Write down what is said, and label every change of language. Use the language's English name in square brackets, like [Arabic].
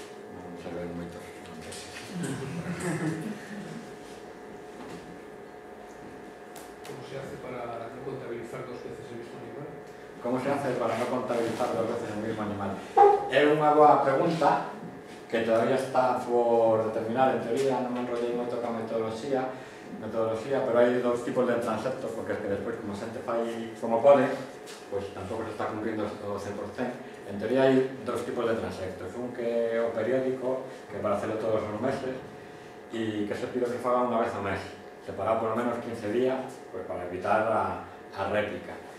[Galician] Non se ven moitos. [Spanish] Como se hace para non contabilizar dos veces o mismo animal? Como se hace para non contabilizar dos veces o mismo animal? [Galician] É unha boa pregunta que todavía está por determinar, en teoría, non me enrollei moito con a metodoloxía. [Spanish] Metodología, pero hay dos tipos de transectos, porque es que después, como se te falla como puede, pues tampoco se está cumpliendo todo 100%. En teoría hay dos tipos de transectos. Un que o periódico, que para hacerlo todos los meses, y que se pide que se haga una vez al mes, separado por lo menos 15 días, pues para evitar la réplica.